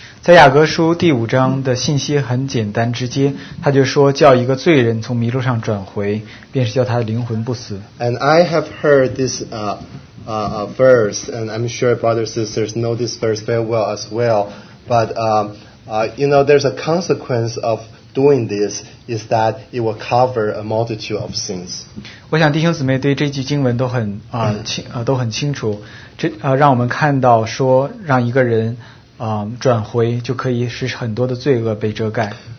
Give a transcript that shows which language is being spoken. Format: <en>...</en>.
<zh>在雅各书第五章的信息很简单直接，他就说叫一个罪人从迷路上转回，便是叫他的灵魂不死。</zh> <en>And I have heard this verse, and I'm sure brothers and sisters know this verse very well as well, but you know, there's a consequence of doing this is that it will cover a multitude of sins.</en> <zh>我想弟兄姊妹对这句经文都很都很清楚，这让我们看到说让一个人转回就可以使很多的罪恶被遮盖。</zh>